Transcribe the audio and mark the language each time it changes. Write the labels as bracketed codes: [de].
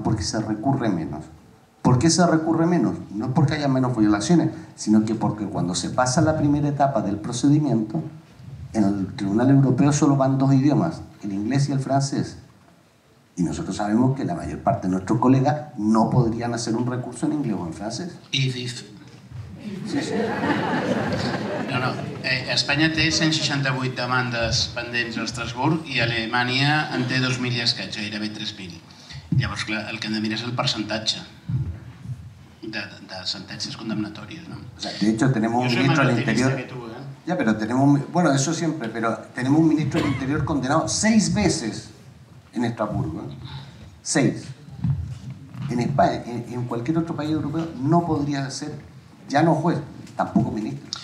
[es] Porque se recurre menos. ¿Por qué se recurre menos? No es porque haya menos violaciones, sino que porque cuando se pasa la primera etapa del procedimiento, en el Tribunal Europeo solo van dos idiomas, el inglés y el francés. Y nosotros sabemos que la mayor parte de nuestros colegas no podrían hacer un recurso en inglés o en francés. Y dice... Sí, sí. No. [ca] Espanya té 168 demandes pendents a Estrasburg i Alemanya en té 2.000 i escaig, gairebé 3.000. Llavors, clar, el que hem de mirar és el percentatge de sentències condemnatòries, no? [es] O sea, de hecho, tenemos un ministro del interior... Ya, pero tenemos... Bueno, eso siempre, pero tenemos un ministro del interior condenado 6 veces en Estrasburgo. 6. En España, en cualquier otro país europeo, no podría ser ya no juez, tampoco ministro.